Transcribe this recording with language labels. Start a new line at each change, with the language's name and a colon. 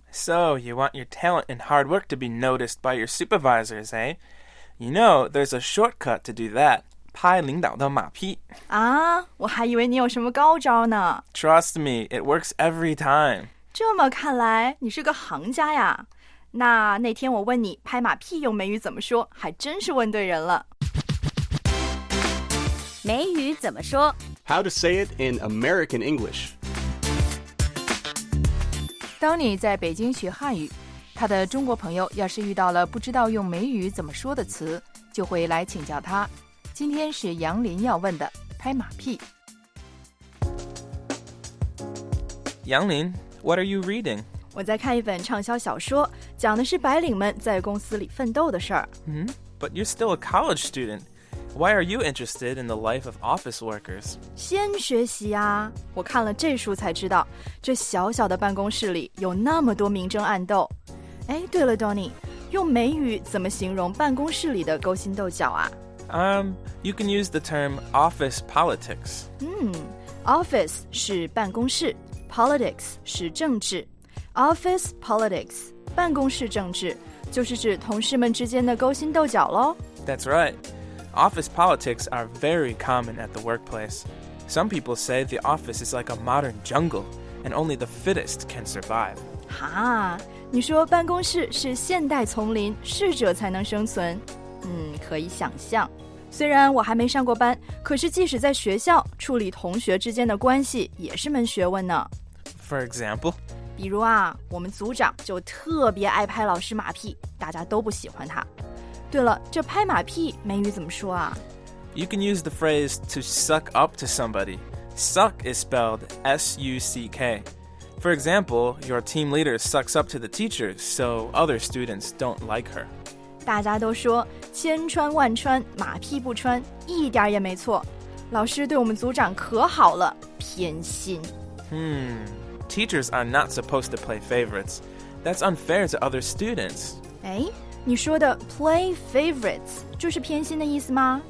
English: So you want your talent and hard work to be noticed by your supervisors, eh? You know, there's a shortcut to do that.
Chinese: 拍领导的马屁啊！我还以为你有什么高招呢。
English: Trust me, it works every time.
Chinese: 这么看来，你是个行家呀。那天我问你拍马屁用美语怎么说，还真是问对人了。美语怎么说
English: ？How to say it in American English?
Chinese: Donny 在北京学汉语，他的中国朋友要是遇到了不知道用美语怎么说的词，就会来请教他。今天是杨林要问的拍马屁。
English: 杨林 ,What are you reading?
Chinese: 我在看一本畅销小说，讲的是白领们在公司里奋斗的事儿。
English: But you're still a college student. Why are you interested in the life of office workers?
Chinese: 先学习啊，我看了这书才知道，这小小的办公室里有那么多明争暗斗。哎，对了 Donny, 用美语怎么形容办公室里的勾心斗角啊？
English: You can use the term office politics.
Chinese: Office 是办公室 ,politics 是政治。 Office politics, 办公室政治，就是指同事们之间的勾心斗角咯。
English: That's right. office politics are very common at the workplace. Some people say the office is like a modern jungle, and only the fittest can survive.
Chinese: 哈，你说办公室是现代丛林，适者才能生存。可以想象。虽然我还没上过班，可是即使在学校，处理同学之间的关系也是门学问呢。
English: For example?
Chinese: 比如啊，我们组长就特别爱拍老师马屁，大家都不喜欢他。对了，这拍马屁美语怎么说啊？
English: You can use the phrase to suck up to somebody. Suck is spelled S-U-C-K. For example, your team leader sucks up to the teacher, so other students don't like her.
Chinese: 大家都说千穿万穿，马屁不穿，一点也没错。老师对我们组长可好了，偏心。
English: Teachers are not supposed to play favorites. That's unfair to other students.
Chinese: 哎，你说的 play favorites 就是偏心的意思吗？